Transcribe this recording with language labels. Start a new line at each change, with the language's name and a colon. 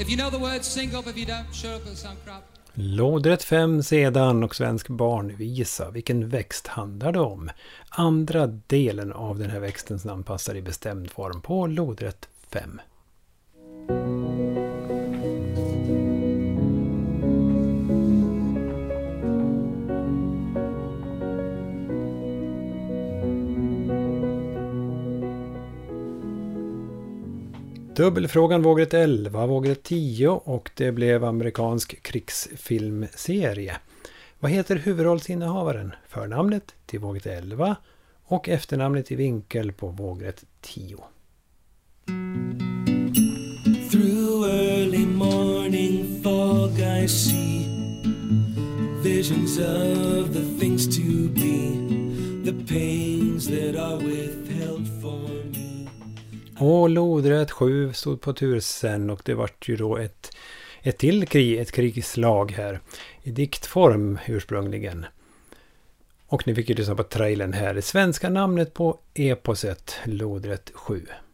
English: If you know the words, sing up. If you don't, shut up and sound crap.
Swedish: Lodrätt 5 sedan och svensk barnvisa. Vilken växt handlar det om? Andra delen av den här växtens namn passar i bestämd form på lodrätt 5. Dubbelfrågan vågret 11, vågret 10 och det blev amerikansk krigsfilmserie. Vad heter huvudrollsinnehavaren? Förnamnet till vågret 11 och efternamnet i vinkel på vågret 10.
English: Through early morning fog I see visions of the things to be, the pains that are withheld for me.
Swedish: Och lodrätt 7 stod på tur sen och det vart ju då ett till krig, ett krigsslag här i diktform ursprungligen. Och ni fick ju lyssna på trailern här, det svenska namnet på eposet lodrätt 7.